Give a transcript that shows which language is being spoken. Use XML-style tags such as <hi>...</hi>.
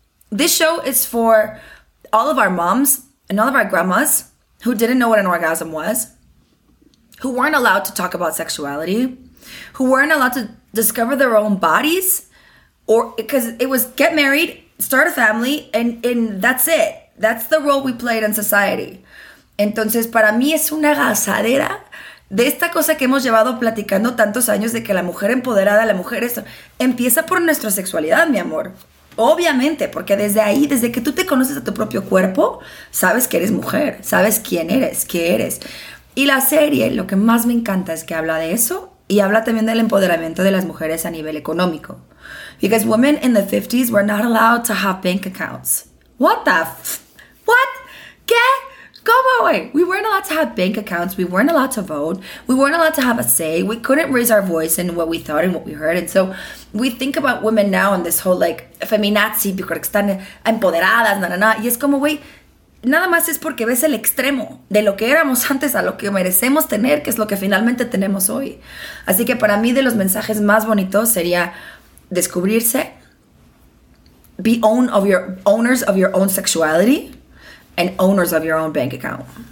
<en>This show is for all of our moms and all of our grandmas who didn't know what an orgasm was, who weren't allowed to talk about sexuality, who weren't allowed to discover their own bodies, or because it was get married, start a family, and that's it. That's the role we played in society.</en> <es>Entonces, para mí es una gasadera de esta cosa que hemos llevado platicando tantos años, de que la mujer empoderada, la mujer eso, empieza por nuestra sexualidad, mi amor. Obviamente, porque desde ahí, desde que tú te conoces a tu propio cuerpo, sabes que eres mujer, sabes quién eres, qué eres. Y la serie, lo que más me encanta es que habla de eso y habla también del empoderamiento de las mujeres a nivel económico.</es> <en>Because women in the 50s were not allowed to have bank accounts. What?</en> <es>¿Qué? ¿Cómo, güey?</es> <en>We weren't allowed to have bank accounts. We weren't allowed to vote. We weren't allowed to have a say. We couldn't raise our voice in what we thought and what we heard. And so we think about women now in this whole, like, feminazi,</en> <es>porque están empoderadas, na-na-na. Y es como, güey, nada más es porque ves el extremo de lo que éramos antes a lo que merecemos tener, que es lo que finalmente tenemos hoy. Así que para mí, de los mensajes más bonitos sería descubrirse,</es> <en>be owners of your own sexuality, and owners of your own bank account.</en>